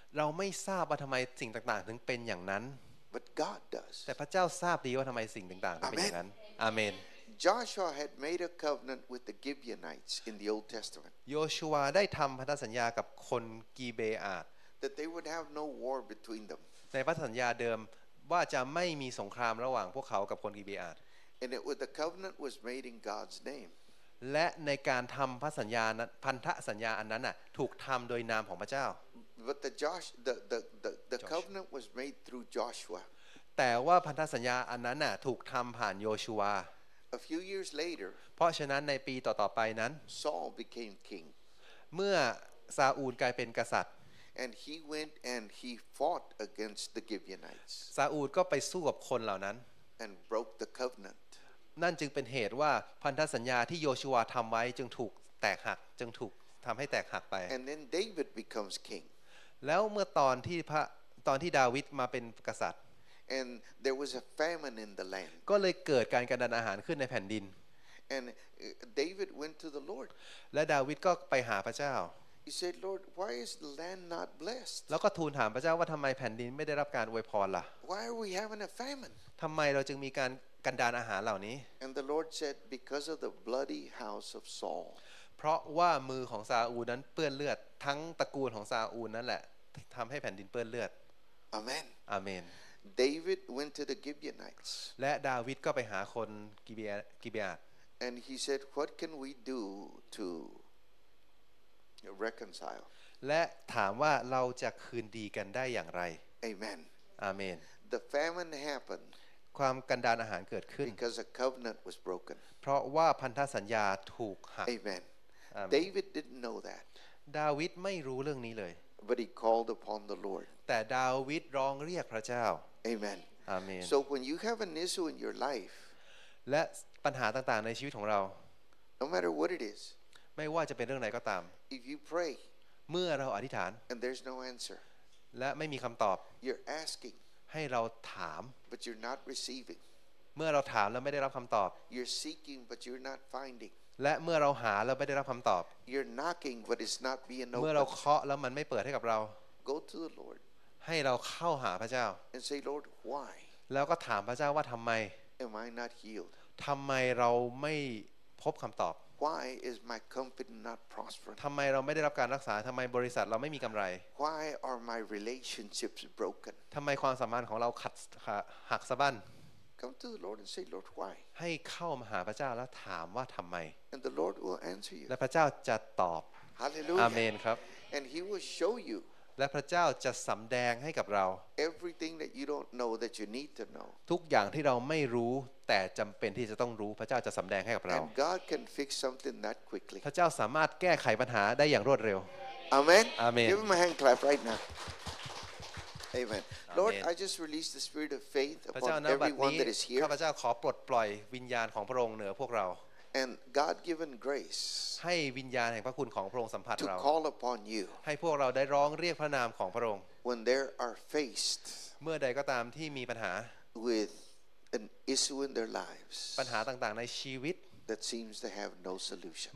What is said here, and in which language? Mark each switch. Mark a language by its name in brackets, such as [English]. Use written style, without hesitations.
[Thai] เราไม่ทราบว่าทำไมสิ่งต่างๆถึงเป็นอย่างนั้น [English] But God does [Thai] แต่พระเจ้าทราบดีว่าทำไมสิ่งต่างๆถึงเป็นอย่างนั้น Amen [English] Joshua had made a covenant with the Gibeonites in the Old Testament [Thai] โยชูวาได้ทำพันธสัญญากับคนกิเบอาต [English] That they would have no war between them [Thai] ในพันธสัญญาเดิมว่าจะไม่มีสงครามระหว่างพวกเขากับคนกิเบอาต [English] And it was the covenant was made in God's name [Thai] และในการทำพันธสัญญานั้นพันธสัญญาอันนั้นน่ะถูกทำโดยนามของพระเจ้า [English] But the Josh the covenant was made through Joshua [Thai] แต่ว่าพันธสัญญาอันนั้นน่ะถูกทำผ่านโยชูวา [English] A few years later [Thai] เพราะฉะนั้นในปีต่อๆไปนั้น [English] Saul became king [Thai] เมื่อซาอูลกลายเป็นกษัตริย์ [English] And he went and he fought against the Gibeonites. [Thai] ซาอูลก็ไปสู้กับคนเหล่านั้น [English] And broke the covenant. [Thai] นั่นจึงเป็นเหตุว่าพันธสัญญาที่โยชูวาทำไว้จึงถูกแตกหักจึงถูกทำให้แตกหักไป [English] And then David becomes king [Thai] แล้วเมื่อตอนที่ดาวิดมาเป็นกษัตริย์ [English] And there was a famine in the land [Thai] ก็เลยเกิดการกระดานอาหารขึ้นในแผ่นดิน [English] And David went to the Lord. [Thai] และดาวิดก็ไปหาพระเจ้า [English] He said, Lord, why is the land not blessed? [Thai] แล้วก็ทูลถามพระเจ้าว่าทำไมแผ่นดินไม่ได้รับการอวยพรล่ะ [English] Why are we having a famine? [Thai] ทำไมเราจึงมีการกันดารอาหารเหล่านี้ [English] And the Lord said, because of the bloody house of Saul. [Thai] เพราะว่ามือของซาอูลนั้นเปื้อนเลือดทั้งตระกูลของซาอูลนั่นแหละทำให้แผ่นดินเปื้อนเลือด [English] Amen. Amen. David went to the Gibeonites. [Thai] และดาวิดก็ไปหาคนกิเบียต [English] And he said, "What can we do to reconcile?" [Thai] และถามว่าเราจะคืนดีกันได้อย่างไร [English] Amen. Amen. The famine happened. [Thai] ความกันดารอาหารเกิดขึ้น [English] Because a covenant was broken. [Thai] เพราะว่าพันธสัญญาถูกหัก [English] Amen. David didn't know that. [Thai] ดาวิดไม่รู้เรื่องนี้เลย [English] But he called upon the Lord. [Thai] แต่ดาวิดร้องเรียกพระเจ้า [English] Amen. Amen. So when you have an issue in your life. [Thai] และปัญหาต่างๆในชีวิตของเรา [English] No matter what it is [Thai] ไม่ว่าจะเป็นเรื่องไหนก็ตาม [English] If you pray [Thai] เมื่อเราอธิษฐาน [English] And there's no answer [Thai] และไม่มีคำตอบ [English] You're asking [Thai] ให้เราถาม [English] But you're not receiving [Thai] เมื่อเราถามแล้วไม่ได้รับคำตอบ [English] You're seeking but you're not finding [Thai] และเมื่อเราหาแล้วไม่ได้รับคำตอบ [English] You're knocking but it's not being opened [Thai] เมื่อเราเคาะแล้วมันไม่เปิดให้กับเรา [English] Go to the Lord [Thai] ให้เราเข้าหาพระเจ้า [English] And say Lord why [Thai] แล้วก็ถามพระเจ้าว่าทำไม [English] Am I not healed? [Thai] ทำไมเราไม่พบคำตอบ [English] Why is my company not prospering? [Thai] ทำไมเราไม่ได้รับการรักษาทำไมบริษัทเราไม่มีกำไร [English] Why are my relationships broken? [Thai] ทำไมความสัมพันธ์ของเราขัดหักสะบั้น [English] Come to the Lord and say, Lord, why? [Thai] ให้เข้ามาหาพระเจ้าแล้วถามว่าทำไม [English] And the Lord will answer you. [Thai] และพระเจ้าจะตอบ [English] Hallelujah. [Thai] Amen. ครับ [English] And He will show you. [Thai] และพระเจ้าจะสำแดงให้กับเรา [English] Everything that you don't know that you need to know [Thai] ทุกอย่างที่เราไม่รู้แต่จำเป็นที่จะต้องรู้พระเจ้าจะสำแดงให้กับเรา [English] And God can fix something that quickly [Thai] พระเจ้าสามารถแก้ไขปัญหาได้อย่างรวดเร็ว [English] Amen Amen Give him a hand clap right now Amen Lord I just release the spirit of faith upon everyone that is here [Thai] ข้าพเจ้าขอปลดปล่อยวิญญาณของพระองค์เหนือพวกเรา [English] And God-given grace [Thai] ให้วิญญาณแห่งพระคุณของพระองค์สัมผัสเรา [English] To call upon you [Thai] ให้พวกเราได้ร้องเรียกพระนามของพระองค์ [English] When there are faced [Thai] เมื่อใดก็ตามที่มีปัญหา [English] With an issue in their lives [Thai] ปัญหาต่างๆในชีวิต [English] That seems to have no solution